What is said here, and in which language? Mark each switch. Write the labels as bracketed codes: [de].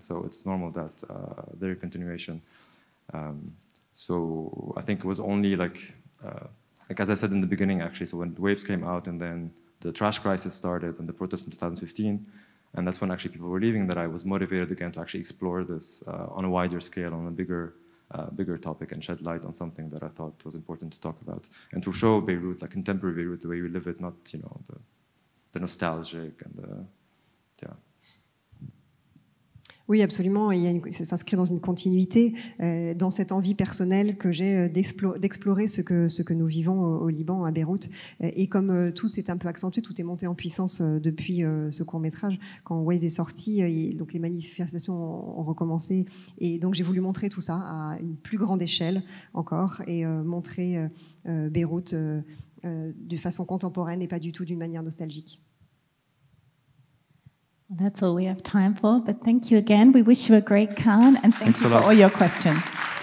[en] So it's normal that they're a continuation. So I think it was only, like as I said in the beginning, actually, so when Waves came out and then the trash crisis started and the protests in 2015, and that's when actually people were leaving, that I was motivated again to actually explore this on a wider scale, on a bigger topic, and shed light on something that I thought was important to talk about, and to show Beirut, like contemporary Beirut, the way we live it, not, you know, the nostalgic and the, yeah. [fr] Oui, absolument. Il y a ça s'inscrit dans une continuité, dans cette envie personnelle que j'ai d'explorer ce que nous vivons au Liban, à Beyrouth. Et comme tout s'est un peu accentué, tout est monté en puissance depuis ce court-métrage, quand Wave est sorti, donc les manifestations ont recommencé. Et donc j'ai voulu montrer tout ça à une plus grande échelle encore, et montrer Beyrouth de façon contemporaine et pas du tout d'une manière nostalgique. [en] That's all we have time for, but thank you again. We wish you a great Cannes, and thank you for all your questions.